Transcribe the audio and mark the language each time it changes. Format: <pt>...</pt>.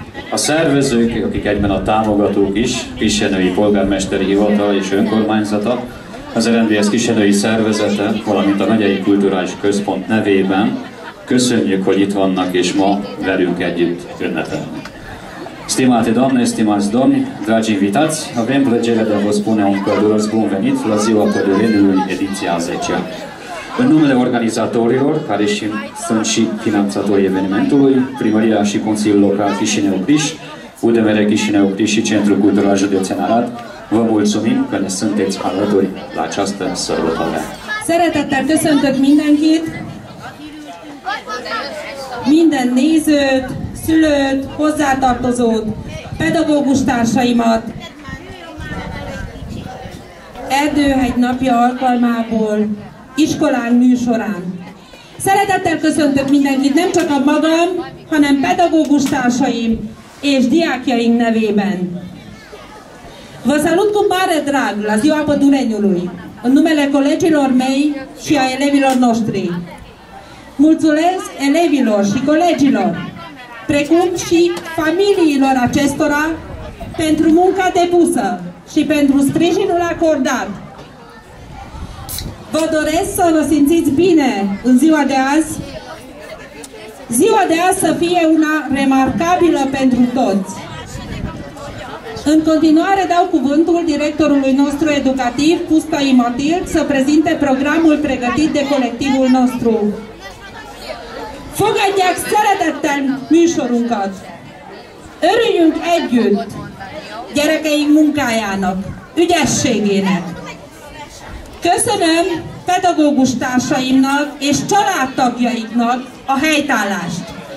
<hu>A szervezők, akik egyben a támogatók is, Kisenői Polgármesteri Hivatal és Önkormányzata, az RNDS Kisenői Szervezete, valamint a Megyei Kulturális Központ nevében köszönjük, hogy itt vannak és ma velünk együtt ünnepelni.</hu> <ro>Stimati domni, stimati domni, dragi invitați, avem plăcere de a vă spune un călduros bun venit la ziua Pădurenului, ediția 10-a. În numele organizatorilor, care și, sunt și finanțatorii evenimentului, Primăria și Consiliul Local Chișinău-Criș, UDMR Chișinău-Criș și Centrul Cultural Județean Arad, vă mulțumim că ne sunteți alături la această sărbătoare.</ro> <hu>Szeretettel köszöntök mindenkit, minden nézőt, szülőt, hozzátartozót, pedagógus társaimat. Erdőhegy napja alkalmából, iskolán műsorán. Szeretettel köszöntök mindenkit, nem csak a magam, hanem pedagógus társaim és diákjaim nevében.</hu> <ro>Vă salut cu mare drag la ziua Pădureniului, în numele colegilor mei și a elevilor noștri. Mulțumesc elevilor și colegilor, precum și familiilor acestora, pentru munca depusă și pentru sprijinul acordat. Vă doresc să vă simțiți bine în ziua de azi. Ziua de azi să fie una remarcabilă pentru toți. În continuare dau cuvântul directorului nostru educativ, Pustai Matil, să prezinte programul pregătit de colectivul nostru.</ro> <hu>Fogadják szeretettel műsorunkat! Örüljünk együtt gyerekeink munkájának, ügyességének! Köszönöm pedagógus társaimnak és családtagjaiknak a helytállást!</hu>